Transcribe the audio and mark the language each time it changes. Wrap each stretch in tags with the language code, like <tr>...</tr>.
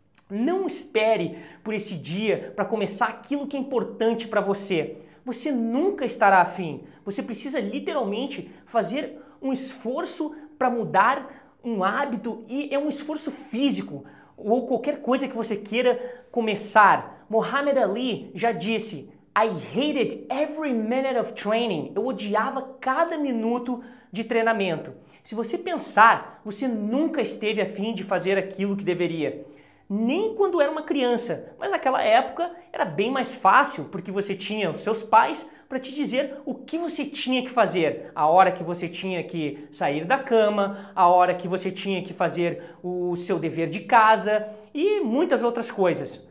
<pt>Não espere por esse dia para começar aquilo que é importante para você. Você nunca estará afim. Você precisa literalmente fazer um esforço para mudar um hábito e é um esforço físico ou qualquer coisa que você queira começar.</pt> <en>Muhammad Ali</en> <pt>já disse,</pt> <en>"I hated every minute of training."</en> <pt>Eu odiava cada minuto de treinamento. Se você pensar, você nunca esteve afim de fazer aquilo que deveria. Nem quando era uma criança, mas naquela época era bem mais fácil porque você tinha os seus pais para te dizer o que você tinha que fazer, a hora que você tinha que sair da cama, a hora que você tinha que fazer o seu dever de casa e muitas outras coisas.</pt>